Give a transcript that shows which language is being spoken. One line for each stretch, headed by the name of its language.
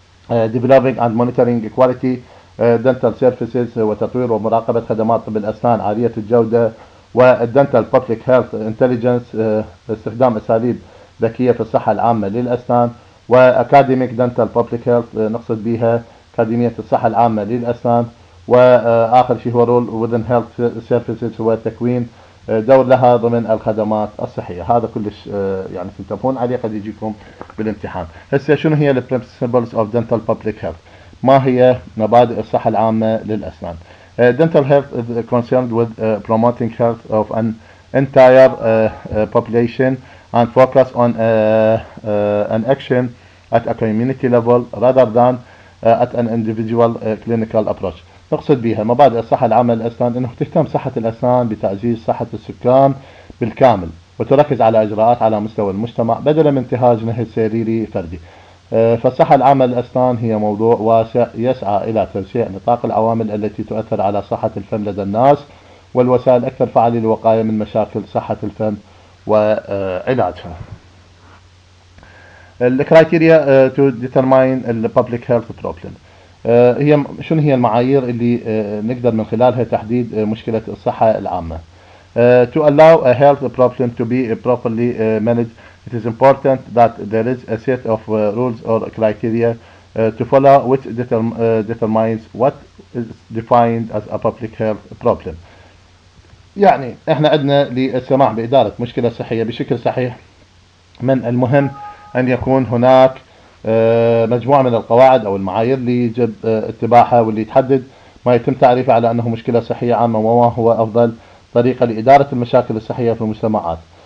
Arabic: ديفلوبينج اند مونيتورينج كواليتي دنتال سيرفيسز، وتطوير ومراقبة خدمات طب الأسنان عالية الجودة، والدنتال بابليك هيلث انتليجنس، استخدام اساليب ذكيه في الصحه العامه للاسنان، واكاديميك دنتال بابليك هيلث، نقصد بها اكاديميه الصحه العامه للاسنان، واخر شيء هو رول وذن هيلث سيرفيسز، هو تكوين دور لها ضمن الخدمات الصحيه. هذا كلش يعني تنتبهون عليه، قد يجيكم بالامتحان.
English: هسه شنو هي البرنسبلز اوف دنتال بابليك هيلث؟ ما هي مبادئ الصحه العامه للاسنان؟ dental health is concerned with promoting health of an entire population and focus on an action at a community level rather than at an individual clinical approach.
Arabic: نقصد بها مبادئ الصحة العامة للأسنان أنه تهتم صحة الأسنان بتعزيز صحة السكان بالكامل، وتركز على إجراءات على مستوى المجتمع بدلا من انتهاج نهج سريري فردي. فالصحة العامة للأسنان هي موضوع واسع يسعى إلى توسيع نطاق العوامل التي تؤثر على صحة الفم لدى الناس، والوسائل الأكثر فعالة للوقاية من مشاكل صحة الفم وعلاجها.
English: الكرايتيريا to determine البابليك health problem, هي شنو هي المعايير اللي نقدر من خلالها تحديد مشكلة الصحة العامة؟ to allow a health problem to be properly managed it is important that there is a set of rules or criteria to follow which determines what is defined as a public health problem.
Arabic: يعني احنا عندنا للسماح بإدارة مشكلة صحية بشكل صحيح، من المهم أن يكون هناك مجموعة من القواعد أو المعايير اللي يجب اتباعها، واللي تحدد ما يتم تعريفه على أنه مشكلة صحية عامة، وما هو أفضل طريقة لإدارة المشاكل الصحية في المجتمعات.